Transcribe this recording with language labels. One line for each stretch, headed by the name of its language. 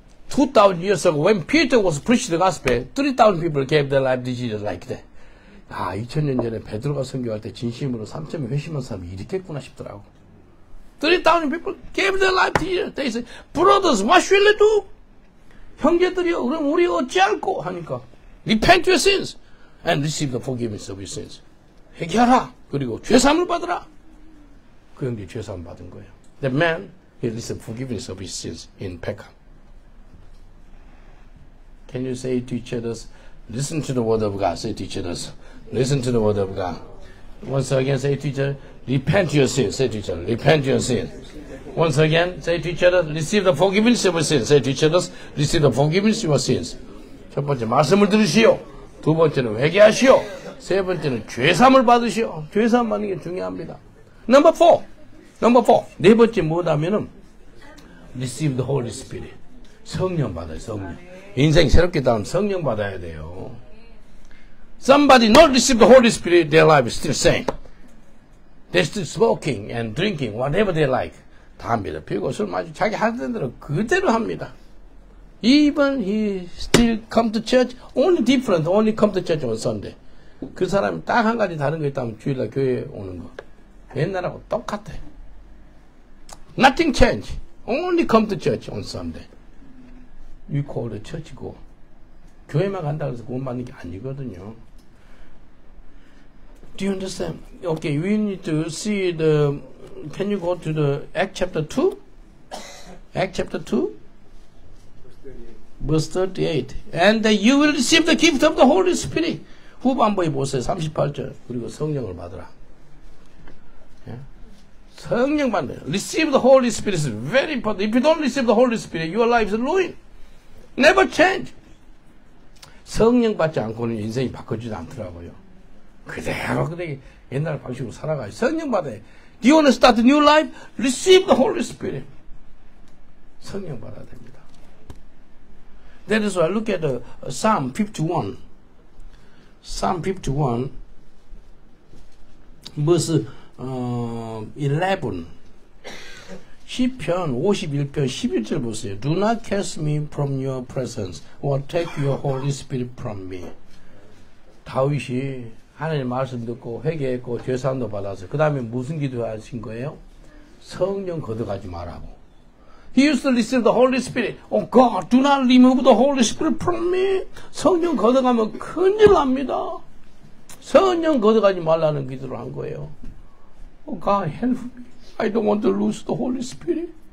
English: 2,000 years ago, when Peter was preaching the gospel, 3,000 people gave their life to Jesus like that.
Korean: 아, 2000년 전에 베드로가 선교할 때 진심으로 3,000명 회심한 사람이 이랬겠구나 싶더라고.
English: 3,000 people gave their life to Jesus. They said, brothers, what shall we do?
Korean: 형제들이요, 그럼 우리 어찌할꼬? 하니까,
English: repent your sins and receive the forgiveness of your sins.
Korean: 회개하라. 그리고 죄사함을 받으라. 그 형제 죄사함 받은 거예요.
English: The man, he received forgiveness of his sins in Peckham. Can you say to each other, listen to the word of God, say to each other, listen to the word of God. Once again, say to each other, repent your sins, say to each other, repent your sins. Once again, say to each other, receive the forgiveness of your sins, say to each other, receive the forgiveness of your sins.
Korean: 첫 번째, 말씀을 들으시오. 두 번째는 회개하시오. 세 번째는 죄사함을 받으시오. 죄사함 받는 게 중요합니다.
English: Number four.
Korean: 네 번째 뭐냐면은
English: receive the Holy Spirit.
Korean: 성령 받아요, 성령. 인생 새롭게 다음 성령 받아야 돼요.
English: Somebody not receive the Holy Spirit, their life is still the same. They're still smoking and drinking, whatever they like.
Korean: 담배도 피우고 술 마시고 자기 하던 대로 그대로 합니다.
English: Even he still come to church, only different, only come to church on Sunday.
Korean: 그 사람이 딱 한 가지 다른 거 있다면 주일날 교회 오는 거. 옛날하고 똑같아.
English: Nothing change. Only come to church on Sunday. You call the church go.
Korean: 교회만 간다고 해서 구원 받는 게 아니거든요.
English: Do you understand? Okay, we need to see the... Can you go to the Acts chapter 2? Acts chapter 2? Verse 38. And that you will receive the gift of the Holy Spirit.
Korean: 후반부에 보세요. 38절. 그리고 성령을 받으라. 성령 받는 거예요.
English: Receive the Holy Spirit is very important. If you don't receive the Holy Spirit, your life is ruined. Never change.
Korean: 성령 받지 않고는 인생이 바꿔지지 않더라고요. 그대로 그대로 옛날 방식으로 살아가요. 성령 받아요.
English: Do you want to start a new life? Receive the Holy Spirit.
Korean: 성령 받아야 됩니다.
English: That is why I look at Psalm 51. Psalm 51.
Korean: 무슨 11. 시편 51편 11절 보세요.
English: Do not cast me from your presence or take your Holy Spirit from me.
Korean: 다윗이 하나님 말씀 듣고 회개했고 죄사함도 받았어요. 그 다음에 무슨 기도하신 거예요? 성령 거둬가지 말라고.
English: He used to receive the Holy Spirit. Oh God, do not remove the Holy Spirit from me. 성령 거둬가면 큰일 납니다. 성령 거둬가지 말라는 기도를 한 거예요. Oh God, help me. I don't want to lose the Holy Spirit.